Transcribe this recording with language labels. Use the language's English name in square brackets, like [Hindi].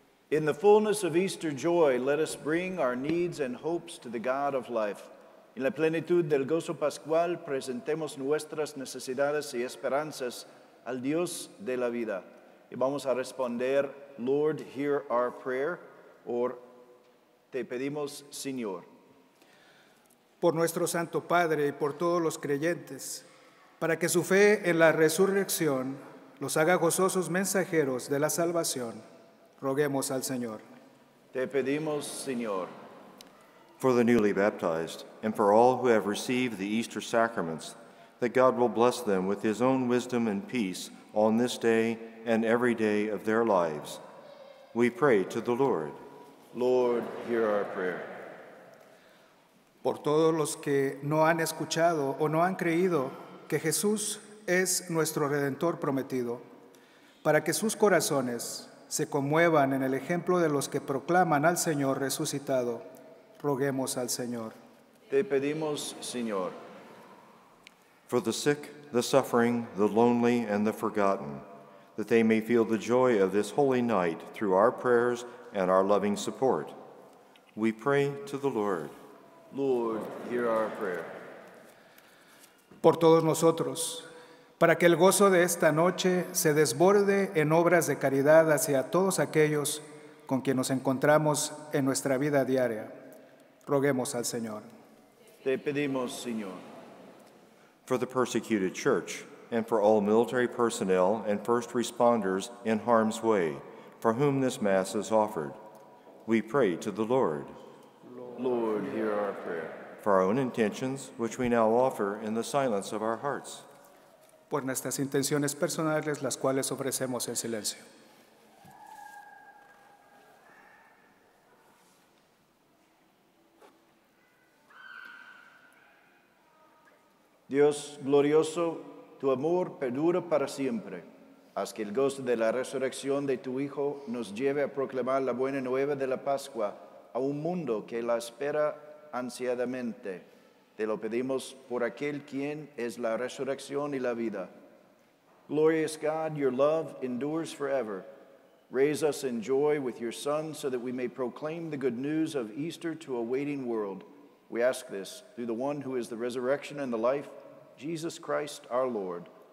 [English] In the fullness of Easter joy, let us bring our needs and hopes to the God of life. [Spanish] En la plenitud del gozo pascual, presentemos nuestras necesidades y esperanzas al Dios de la vida. Y vamos a responder, [English] Lord, hear our prayer, or [Spanish] te pedimos, Señor. Por nuestro Santo Padre y por todos los creyentes, para que su fe en la resurrección los haga gozosos mensajeros de la salvación, roguemos al Señor. Te pedimos, Señor. [English] For the newly baptized, and for all who have received the Easter sacraments, that God will bless them with his own wisdom and peace on this day and every day of their lives. We pray to the Lord. Lord, hear our prayer. [Spanish] Por todos los que no han escuchado o no han creído que Jesús es nuestro Redentor prometido, para que sus corazones se conmuevan en el ejemplo de los que proclaman al Señor resucitado, roguemos al Señor. Te pedimos, Señor. [English] For the sick, the suffering, the lonely, and the forgotten, that they may feel the joy of this holy night through our prayers and our loving support, we pray to the Lord. Lord, hear our prayer. [Spanish] Por todos nosotros, para que el gozo de esta noche se desborde en obras de caridad hacia todos aquellos con quien nos encontramos en nuestra vida diaria, roguemos al Señor. Te pedimos, Señor. [English] For the persecuted church, and for all military personnel and first responders in harm's way, for whom this Mass is offered, we pray to the Lord. Lord, hear our prayer. For our own intentions, which we now offer in the silence of our hearts. [Spanish] Por nuestras intenciones personales, las cuales ofrecemos en silencio. Dios glorioso, tu amor perdura para siempre. Haz que el gozo de la resurrección de tu Hijo nos lleve a proclamar la buena nueva de la Pascua a un mundo que la espera ansiadamente. Te lo pedimos por aquel quien es la resurrección y la vida. [English] Glorious God, your love endures forever. Raise us in joy with your Son so that we may proclaim the good news of Easter to a waiting world. We ask this through the one who is the resurrection and the life, Jesus Christ, our Lord.